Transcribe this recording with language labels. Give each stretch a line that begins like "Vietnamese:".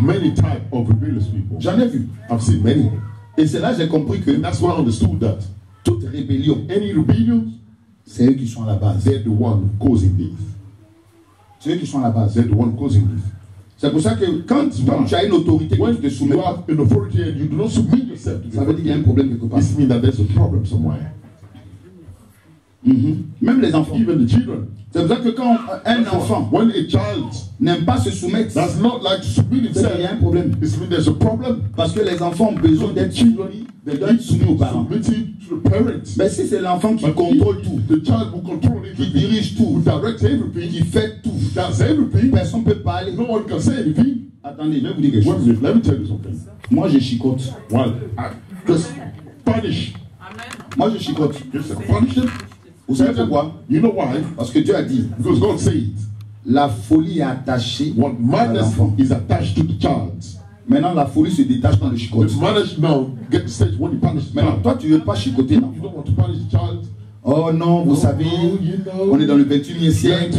English: Many types of rebellious people.
French: J'en ai vu.
English: I've seen many.
French: Et c'est là que j'ai compris que.
English: And that's why I understood that.
French: Toute rébellion.
English: Any rebellion.
French: C'est eux qui sont à la base.
English: They're the one causing this.
French: C'est eux qui sont à la base.
English: They're the one causing this.
French: C'est pour ça que quand tu as une autorité,
English: when
French: tu
English: you have an authority and you do not submit yourself to
French: ça veut dire qu'il y a un problème quelque part.
English: This means that there's a problem somewhere.
French: Même les enfants.
English: Even the children.
French: C'est pour ça que quand un enfant
English: when a child
French: n'aime pas se soumettre,
English: does not like to submit himself,
French: il y a un problème.
English: There's a problem.
French: Parce que les enfants ont besoin d'être
English: children. They don't submit
French: aux parents.
English: Submitting to the parents.
French: Mais si c'est l'enfant qui contrôle tout,
English: the child will control it.
French: Qui dirige tout,
English: who directs everything,
French: qui fait tout,
English: does everything.
French: Personne peut parler.
English: No one can say anything.
French: Attendez, je vais vous dire quelque chose.
English: Let me tell you something.
French: Moi, je chicote.
English: Well, just punish.
French: Moi, je chicote.
English: Just punish him.
French: Vous savez pourquoi?
English: You know why?
French: Parce que Dieu a dit.
English: Because God said.
French: La folie est attachée.
English: What madness is attached to the child.
French: Maintenant, la folie se détache dans le chicot.
English: The madness now gets stage when you punish.
French: Maintenant, toi, tu veux pas chicoter.
English: You don't want to punish the child.
French: Oh non, vous savez, on est dans le 21e siècle,